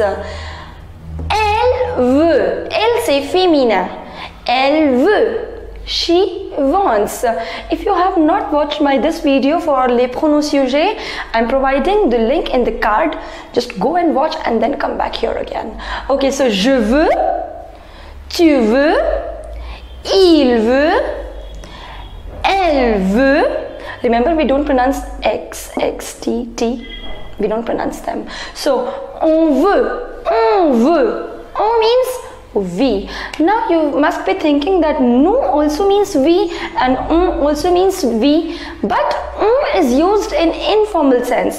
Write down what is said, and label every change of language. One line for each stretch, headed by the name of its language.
French: Elle veut. Elle, c'est féminin. Elle veut.
English: She wants. If you have not watched my this video for les pronoms sujets, I'm providing the link in the card. Just go and watch and then come back here again.
French: Okay, so je veux, tu veux, il veut, elle veut.
English: Remember, we don't pronounce X, X, T, T. We don't pronounce them. So,
French: on veut, on veut.
English: On means we. Now you must be thinking that nous also means we and on also means we, but on is used in informal sense.